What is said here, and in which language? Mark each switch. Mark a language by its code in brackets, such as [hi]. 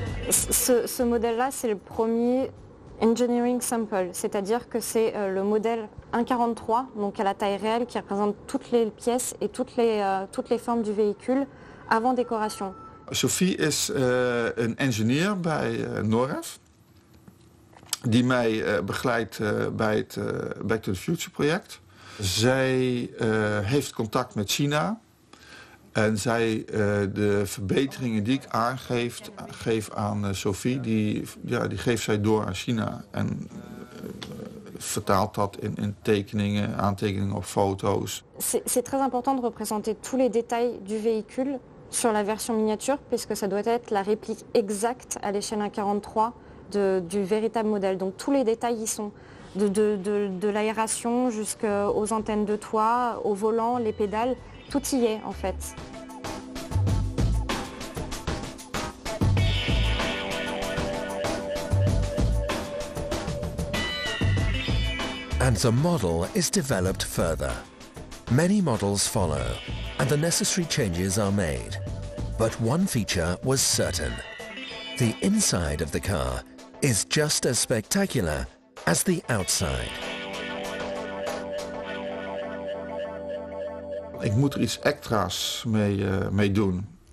[fr] Ce modèle-là, c'est le premier engineering sample, c'est-à-dire que c'est le modèle 1.43, donc à la taille réelle, qui représente toutes les pièces et toutes les formes du véhicule avant décoration. [nl] Sophie is een engineer bij Norref, die mij begeleidt bij het Back to the Future project. Zij heeft contact met China en zij de verbeteringen die ik geef aan Sophie, die geeft zij door aan China. En vertaalt dat in tekeningen, aantekeningen of foto's. [fr] C'est très important de représenter tous les détails du véhicule sur la version miniature, puisque ça doit être la réplique exacte à l'échelle 1.43 du véritable modèle. Donc tous les détails y sont, de l'aération jusqu'aux antennes de toit, au volant, les pédales, tout y est en fait. [en] And the model is developed further. Many models follow, and the necessary changes are made. But one feature was certain. The inside of the car is just as spectacular as the outside. [nl] Ik moet er iets extra's mee doen.